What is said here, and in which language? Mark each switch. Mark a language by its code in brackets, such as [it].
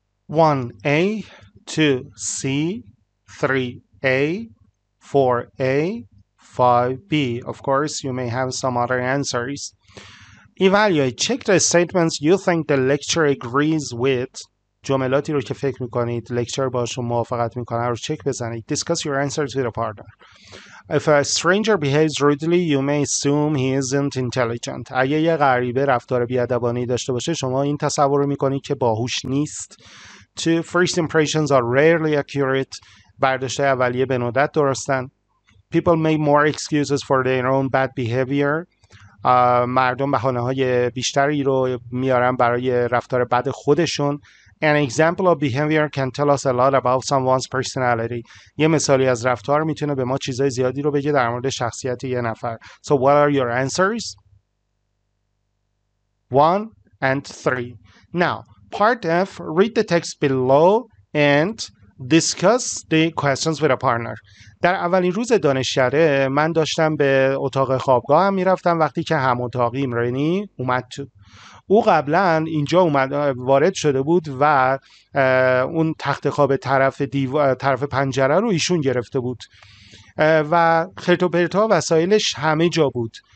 [en] 1A, 2C, 3A, 4A, 5B. Of course, you may have some other answers. Evaluate. Check the statements you think the lecturer agrees with. [fa] جملاتی رو که فکر میکنید لکچر باشون موافقت میکنه رو چک بزنید. [en] Discuss your answers with a partner. If a stranger behaves rudely, you may assume he isn't intelligent. [fa] اگه یه غریبه رفتار بیادبانی داشته باشه شما این تصور رو میکنید که باهوش نیست. [en] Two, first impressions are rarely accurate. [fa] برداشته اولیه به ندرت درستن. [en] People make more excuses for their own bad behavior. [fa] مردم بهانه‌های بیشتری رو میارن برای رفتار بد خودشون. [en] An example of behavior can tell us a lot about someone's personality. [fa] یه مثالی از رفتار میتونه به ما چیزای زیادی رو بگه در مورد شخصیت یه نفر. [en] So what are your answers? 1 and 3. Now, part F, read the text below and discuss the questions with a partner. [fa] در اولین روز دانشکده من داشتم به اتاق خوابگاه هم میرفتم وقتی که هم اتاقیم رینی اومد تو. او قبلا اینجا اومد وارد شده بود و اون تخت خواب طرف پنجره رو ایشون گرفته بود و خرت و پرت ها وسایلش همه جا بود.